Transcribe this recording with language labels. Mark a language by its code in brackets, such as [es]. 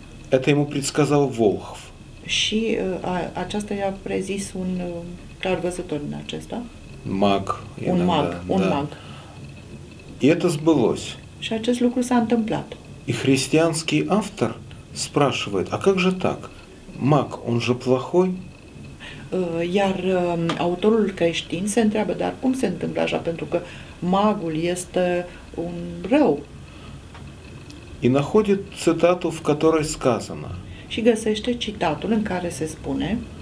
[ru] Это ему предсказал волхв. [ro] Și aceasta i-a prezis un clarvăzător din acesta. [ru] Маг. [ro] Un маг, un маг. [ru] И это сбылось. [ro] Și acest lucru s-a întâmplat. [ru] И христианский автор спрашивает: а как же так? Маг, он же плохой? [ro] Iar autorul creștin se întreabă, dar cum se întâmplă așa? Pentru că magul este un rău. [ru] И находит цитату, в которой сказано. [ro] Și găsește citatul în care se spune,